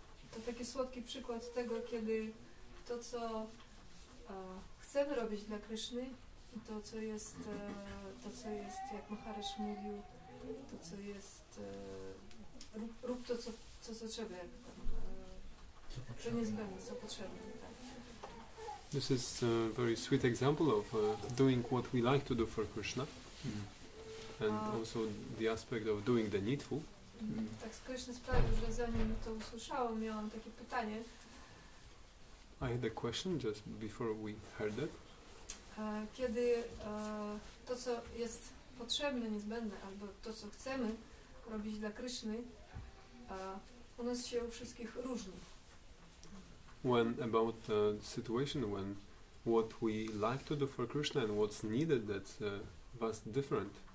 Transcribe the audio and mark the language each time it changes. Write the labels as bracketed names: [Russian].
[Polish] To taki słodki przykład tego, kiedy to, co chcemy robić dla Kryszny, i to, co jest, jak Maharaj mówił, to, co jest, rób to, co trzeba, co niezbędne, co potrzebne. [English] This is a very sweet example of doing what we like to do for Krishna. And also the aspect of doing the needful. [Polish] Tak z Krishna sprawił, że zanim to usłyszałam, miałam takie pytanie. [English] I had a question just before we heard it. [Polish] Kiedy to, co jest potrzebne, niezbędne, albo to, co chcemy robić dla Krishny, u nas się u wszystkich różni. [English] When about the situation, when what we like to do for Krishna and what's needed, that's vast different.